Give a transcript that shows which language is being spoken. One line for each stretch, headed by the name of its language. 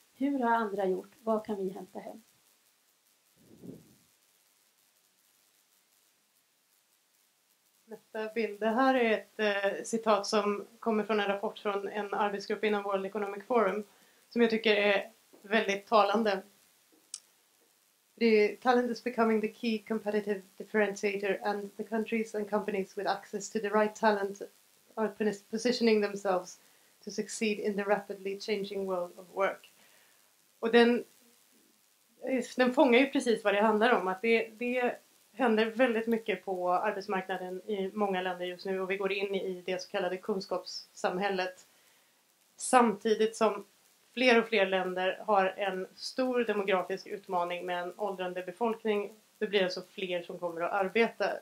Swedish: Hur har andra gjort? Vad kan vi hämta hem? Nästa bild. Det här är ett citat som kommer från en rapport från en arbetsgrupp inom World Economic Forum som jag tycker är väldigt talande.
English: Talent is becoming the key competitive differentiator, and the countries and companies with access to the right talent are positioning themselves to succeed in the rapidly changing world of work.
Swedish: Och den fångar ju precis vad det handlar om. Att det händer väldigt mycket på arbetsmarknaden i många länder just nu, och vi går in i det så kallade kunskapssamhället. Samtidigt som fler och fler länder har en stor demografisk utmaning med en åldrande befolkning, det blir alltså fler som kommer att arbeta.